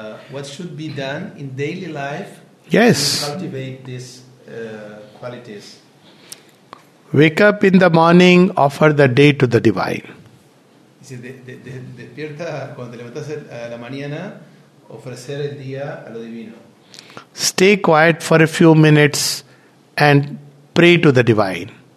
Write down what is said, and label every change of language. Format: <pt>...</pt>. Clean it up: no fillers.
<en>What should be done in daily life to cultivate these qualities? Wake up in the morning, offer the day to the divine.</en> <es>Dice, despierta cuando te levantas a la mañana, ofrecer el día a lo divino.</es> <en>Stay quiet for a few minutes and pray to the divine.</en>